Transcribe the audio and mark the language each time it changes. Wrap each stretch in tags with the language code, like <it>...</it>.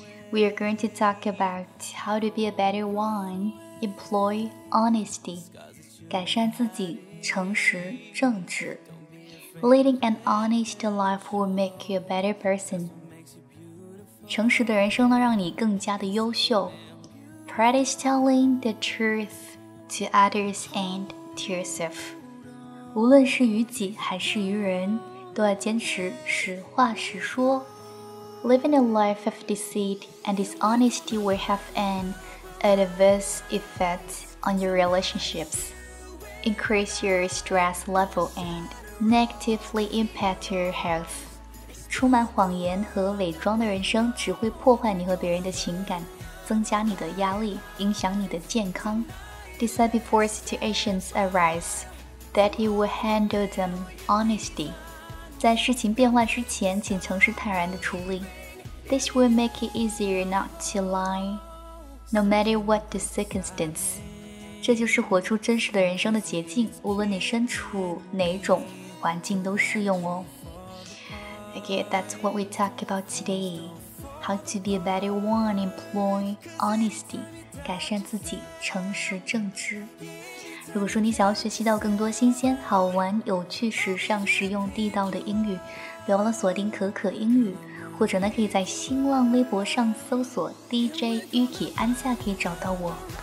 <en>We are going to talk about how to be a better one, employ honesty,</en> <zh>改善自己，诚实正直。</zh> <en>Leading an honest life will make you a better person.</en> <zh>诚实的人生呢，让你更加的优秀。</zh> <en>Practice telling the truth to others and to yourself.</en> <zh>无论是于己还是于人，都要坚持实话实说。</zh> <en>Living a life of deceit and dishonesty will have an adverse effect on your relationships, increase your stress level and negatively impact your health.</en> <zh>充满谎言和伪装的人生只会破坏你和别人的情感，增加你的压力，影响你的健康。</zh> <en>Decide before situations arise that you will handle them honestly.</en> <zh>在事情变化之前，请诚实坦然地处理。</zh> <en>This will make it easier not to lie, no matter what the circumstance.</en> <zh>这就是活出真实的人生的捷径，无论你身处哪种环境都适用哦。</zh> <en>Okay, that's what we talk about today. How to be a better one, employ honesty.</en> <zh>改善自己，诚实正直。如果说你想要学习到更多新鲜、好玩、有趣、时尚、实用、地道的英语，别忘了锁定可可英语，或者呢，可以在新浪微博上搜索 DJ Yuki 安夏，可以找到我。</zh>